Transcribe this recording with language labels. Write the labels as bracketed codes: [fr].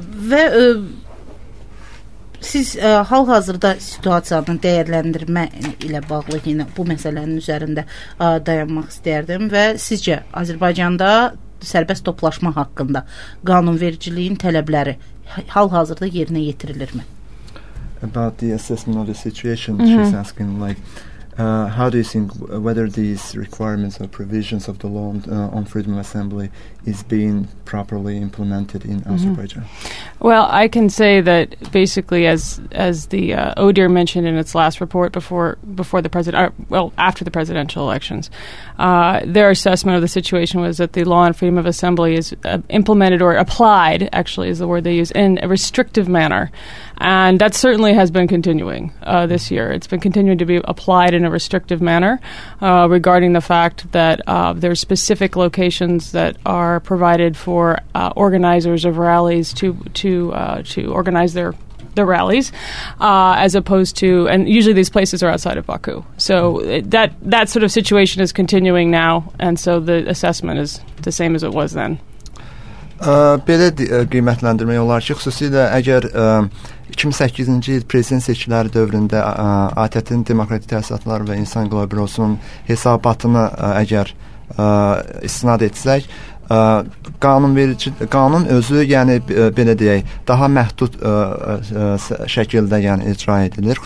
[az] Və siz hal-hazırda situasiyanın dəyərləndirmə ilə bağlı yenə bu məsələnin üzərində dayanmaq istəyərdim və sizcə Azərbaycanda sərbəst toplaşma haqqında qanunvericiliyin tələbləri hal-hazırda yerinə yetirilirmi? [en] About the assessment of the situation, she's asking like how do you think whether these requirements or provisions of the law on freedom of assembly is being properly implemented in Azerbaijan? Well, I can say that basically, as the ODIHR mentioned in its last report before the president, well, after the presidential elections, their assessment of the situation was that the law on freedom of assembly is implemented or applied, actually, is the word they use, in a restrictive manner. And that certainly has been continuing this year. It's been continuing to be applied in a restrictive manner regarding the fact that there are specific locations that are provided for organizers of rallies to organize their rallies, as opposed to, and usually these places are outside of Baku. So that sort of situation is continuing now, and so the assessment is the same as it was then. [az] Belə qiymətləndirmək olar ki, xüsusilə əgər 2008-ci il prezident seçkiləri dövründə ATƏT-in Demokratik Təsisatlar və İnsan Hüquqları Bürosunun hesabatını əgər istinad etsək, qanun özü, yəni belə deyək, daha məhdud şəkildə yəni icra edilir.